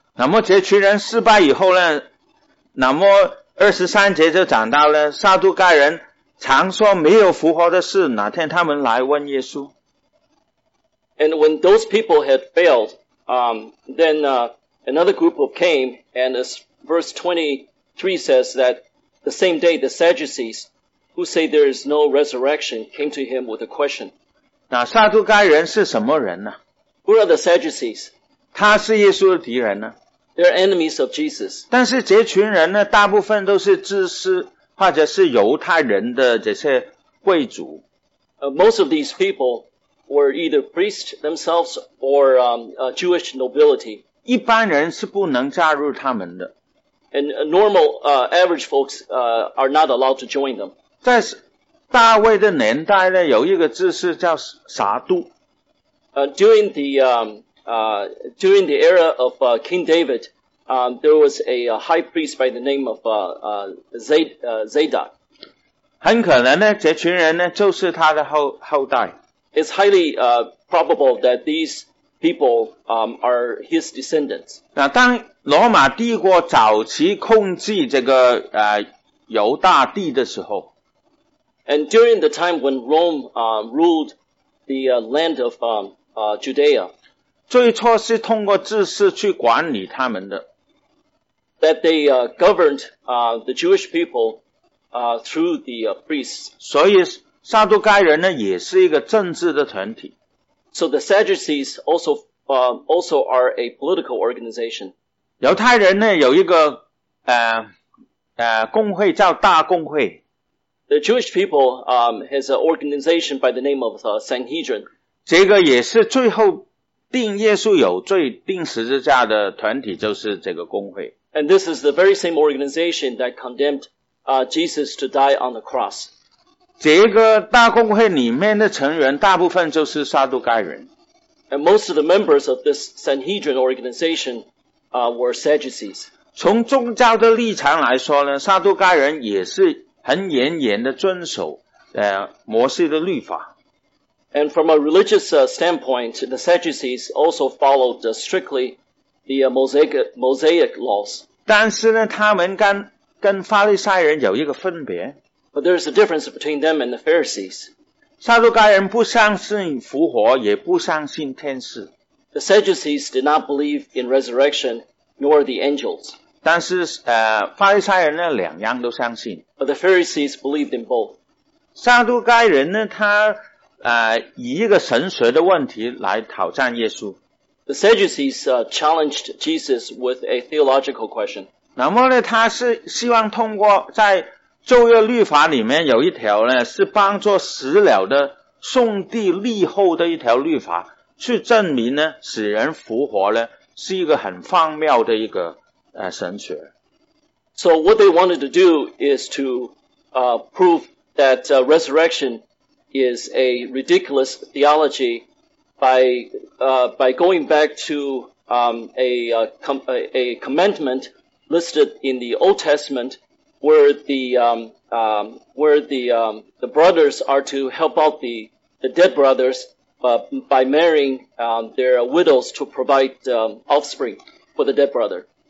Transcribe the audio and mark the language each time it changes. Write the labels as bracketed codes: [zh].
[zh] 那么这群人失败以后呢，那么23节就讲到了撒都盖人常说没有复活的事，哪天他们来问耶稣。 [en] And when those people had failed, then another group of came, and as verse 23 says that the same day the Sadducees, who say there is no resurrection, came to him with a question. [zh] 那撒都盖人是什么人呢？ [en] Who are the Sadducees? [zh] 他是耶稣的敌人呢？ [en] They're enemies of Jesus. [zh] 但是这群人呢，大部分都是知识或者是犹太人的这些贵族。 [en] Most of these people were either priests themselves or Jewish nobility. [zh] 一般人是不能加入他们的。 [en] And normal average folks are not allowed to join them. [zh] 在大卫的年代呢，有一个知识叫撒都。 [en] During the era of King David, there was a high priest by the name of Zadok. [zh] 很可能呢，这群人呢就是他的后代。 [en] It's highly probable that these people are his descendants. [zh] 那当罗马帝国早期控制这个犹大地的时候。 [en] And during the time when Rome ruled the land of Judea, [zh] 最初是通过祭司去管理他们的。 [en] That they governed the Jewish people through the priests. [zh] 所以撒都盖人呢也是一个政治的团体。 [en] So the Sadducees also are a political organization. [zh] 犹太人呢有一个公会叫大公会。 [en] The Jewish people has an organization by the name of Sanhedrin. [zh] 这个也是最后定耶稣有罪定十字架的团体，就是这个公会。 [en] And this is the very same organization that condemned Jesus to die on the cross. [zh] 这个大公会里面的成员大部分就是撒都盖人。 [en] And most of the members of this Sanhedrin organization were Sadducees. [zh] 从宗教的立场来说呢，撒都盖人也是很严严的遵守摩西的律法。 [en] And from a religious standpoint, the Sadducees also followed strictly the Mosaic laws. [zh] 但是呢，他们跟法利赛人有一个分别。 [en] But there's a difference between them and the Pharisees. [zh] 撒都盖人不相信复活，也不相信天使。 [en] The Sadducees did not believe in resurrection nor the angels. [zh] 但是法利赛人呢，两样都相信。 [en] But the Pharisees believed in both. [zh] 撒都盖人呢，他以一个神学的问题来挑战耶稣。 [en] The Sadducees challenged Jesus with a theological question. [zh] 那么呢，他是希望通过在旧约律法里面有一条呢，是帮助死了的送地立后的一条律法，去证明呢死人复活呢是一个很荒谬的一个神学。 [en] So what they wanted to do is to prove that resurrection is a ridiculous theology by going back to a commandment listed in the Old Testament where the brothers are to help out the dead brothers by marrying their widows to provide offspring for the dead brother.